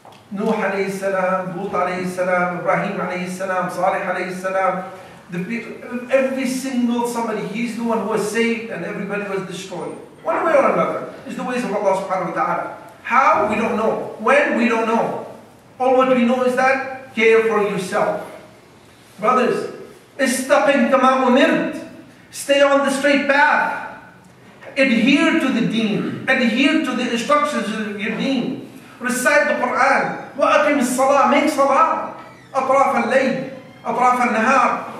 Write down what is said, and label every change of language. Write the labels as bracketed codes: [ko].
[en] Nuh alayhi salam, Lut alayhi salam, Ibrahim alayhi salam, Salih alayhi salam. The people, every single somebody, he's the one who was saved and everybody was destroyed. One way or another, is the ways of Allah subhanahu wa ta'ala. How? We don't know. When? We don't know. All what we know is that, care for yourself. Brothers, [ar] استقم كما أمرت. [en] Stay on the straight path. Adhere to the deen. Adhere to the instructions of your deen. Recite the Quran. [ar] وَأَقِمِ الصَّلَاةِ. [en] Make salah. [ar] أَطْرَافَ اللَّيْلِ. أَطْرَافَ النَّهَارِ.